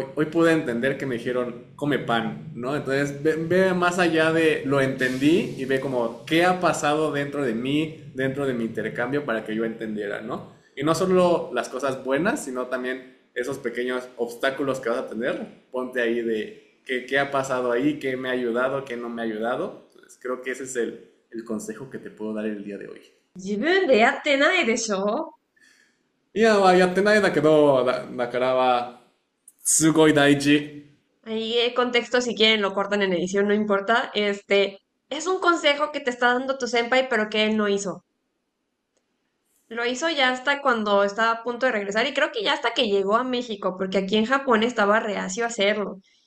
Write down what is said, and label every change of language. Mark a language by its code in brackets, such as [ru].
[es] Hoy pude entender que me dijeron, come pan, ¿no? Entonces, ve más allá de lo entendí y ve como qué ha pasado dentro de mí, dentro de mi intercambio para que yo entendiera, ¿no? Y no solo las cosas buenas, sino también esos pequeños obstáculos que vas a tener. Ponte ahí de qué ha pasado ahí, qué me ha ayudado, qué no me ha ayudado. Entonces, creo que ese es el consejo que te puedo dar el día de hoy. [ja] いや、まあ、やってないんだけど、だからは、すごい大事。 [es] Ahí el contexto, si quieren, lo cortan en edición, no importa. Es un consejo que te está dando tu senpai, pero que él no hizo. Lo hizo ya hasta cuando estaba a punto de regresar, y creo que ya hasta que llegó a México, porque aquí en Japón estaba reacio a hacerlo.